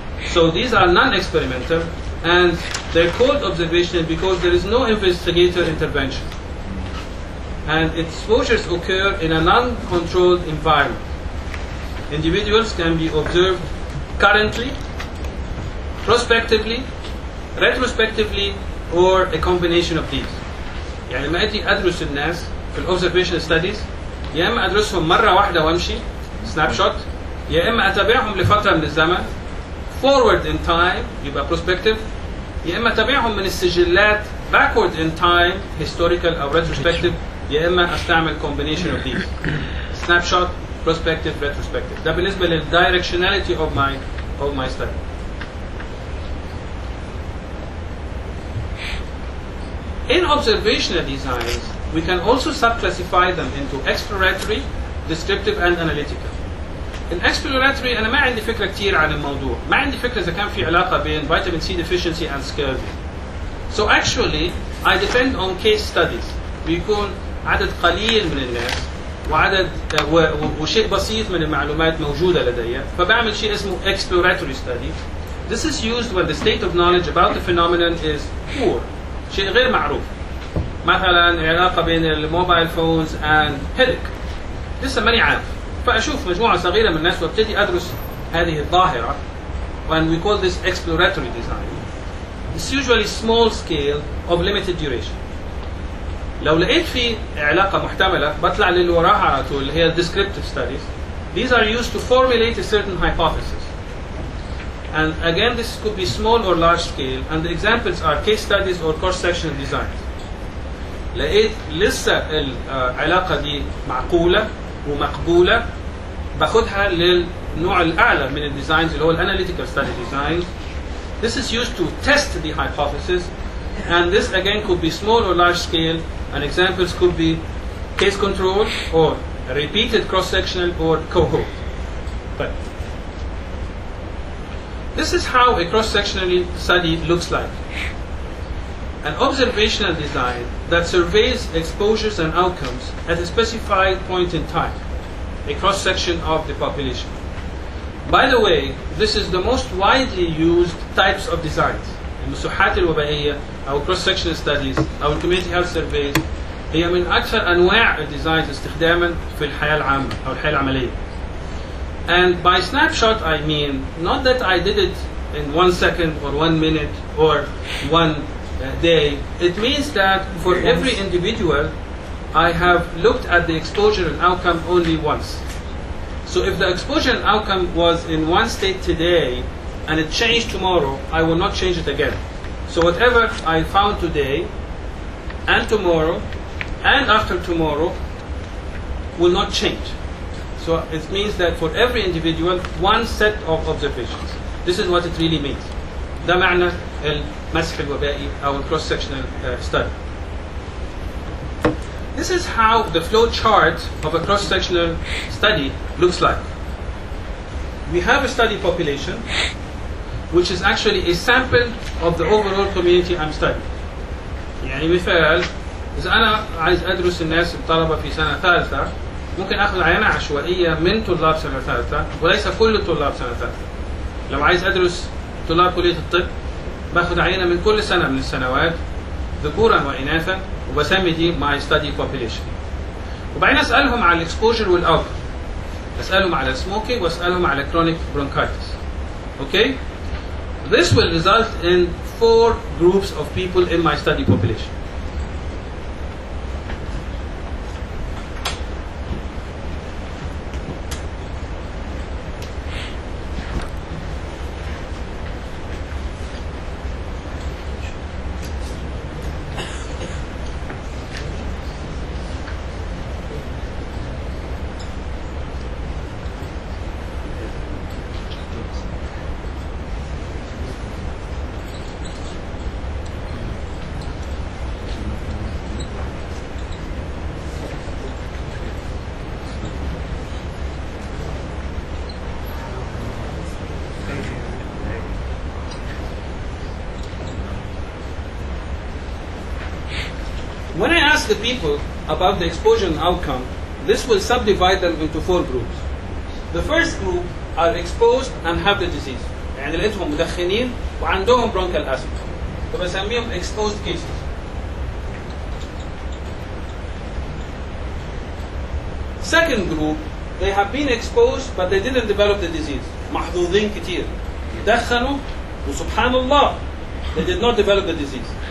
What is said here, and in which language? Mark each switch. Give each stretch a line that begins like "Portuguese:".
English: So these are non-experimental, and they're called observational because there is no investigator intervention. And exposures occur in a non-controlled environment. individuals can be observed currently, prospectively, retrospectively, or a combination of these.
Arabic: يعني ما أتي أدرس الناس في
English: observation studies
Arabic: يا إما أدرسهم مرة واحدة وأمشي snapshot يا إما أتابعهم لفترة من الزمن
English: forward in time
Arabic: يبقى prospective يا إما أتابعهم من السجلات
English: backward in time historical
Arabic: أو retrospective يا إما أستعمل
English: combination of these snapshot prospective retrospective
Arabic: ده بالنسبة لل
English: directionality of my study. In observational designs, we can also subclassify them into exploratory, descriptive, and analytical. In exploratory,
Arabic: أنا ما عندي فكرة كتير عن الموضوع. ما عندي فكرة إذا كان في علاقة بين
English: vitamin C deficiency and scurvy. So actually, I depend on case studies.
Arabic: بيكون عدد قليل من الناس وعدد وشيء بسيط من المعلومات موجودة لدي. فبعمل شيء اسمه exploratory study.
English: This is used when the state of knowledge about the phenomenon is poor.
Arabic: شيء غير معروف مثلا علاقة بين الموبايل فونز
English: and headache
Arabic: لسه ماني عارف فأشوف مجموعة صغيرة من الناس وابتدي أدرس هذه الظاهرة
English: when we call this exploratory design it's usually small scale of limited duration
Arabic: لو لقيت في علاقة محتملة بطلع للوراها على طول اللي هي
English: descriptive studies these are used to formulate a certain hypothesis And again, this could be small or large scale, and the examples are case studies or cross-sectional designs.
Arabic: لقيت لسه العلاقة دي معقولة ومقبولة باخدها للنوع الأعلى من الديزاينز اللي هو الاناليتيكال ستادي ديزاين.
English: This is used to test the hypothesis, and this again could be small or large scale, and examples could be case control or repeated cross-sectional or cohort. But This is how a cross-sectional study looks like. An observational design that surveys exposures and outcomes at a specified point in time, a cross-section of the population. By the way, this is the most widely used types of designs.
Arabic: المسوحات الوبائية أو
English: cross-sectional studies
Arabic: أو
English: community health surveys
Arabic: هي من أكثر أنواع الديزاينز استخداما في الحياة العامة أو الحياة العملية.
English: And by snapshot, I mean not that I did it in 1 second or 1 minute or one day. It means that for every individual, I have looked at the exposure and outcome only once. So if the exposure and outcome was in one state today and it changed tomorrow, I will not change it again. So whatever I found today and tomorrow and after tomorrow will not change. So it means that for every individual, one set of observations. This is what it really means.
Arabic: ده معنى المسح الوبائي أو
English: cross-sectional study. This is how the flow chart of a cross-sectional study looks like. We have a study population, which is actually a sample of the overall community I'm studying.
Arabic: يعني مثال, إذا أنا عايز أدرس الناس الطلبة في سنة ثالثة, ممكن أخذ عينة عشوائية من طلاب سنة ثالثة وليس كل طلاب سنة ثالثة. لو عايز أدرس طلاب كلية الطب بأخذ عينة من كل سنة من السنوات ذكورا وإناثا وبسمي دي
English: my study population.
Arabic: وبعدين أسألهم على الإكسبوجر والأوتر. أسألهم على السموكينج وأسألهم على كرونيك برونكايتس.
English: Okay? This will result in four groups of people in my study population. The people about the exposure and outcome, this will subdivide them into four groups. The first group are exposed and have the disease.
Arabic: يعني لقيتهم مدخنين وعندهم
English: bronchial asthma.
Arabic: فبسميهم
English: exposed cases. Second group they have been exposed but they didn't develop the disease.
Arabic: محظوظين كتير. دخنوا وسبحان الله
English: they did not develop the disease.